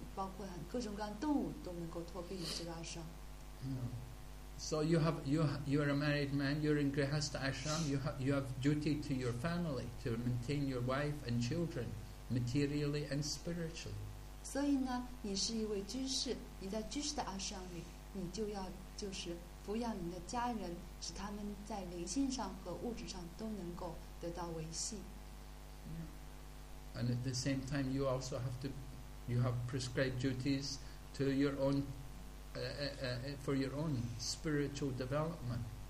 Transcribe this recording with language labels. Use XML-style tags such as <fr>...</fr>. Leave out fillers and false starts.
<zh>就好像在伟达年代的时候，那时候会有灵性导师就在阿尚里，当时呢有很多人，包括很各种各样动物都能够脱离这个阿尚。</zh> <en>So you're a married man. You're in Grihastha Ashram. You have duty to your family to maintain your wife and children, materially and spiritually.</en> <zh>所以呢，你是一位居士，你在居士的阿尚里，你就要就是抚养你的家人，使他们在灵性上和物质上都能够得到维系。</zh> <en>And at the same time, you also have to, you have prescribed duties to your own, for your own spiritual development.</en>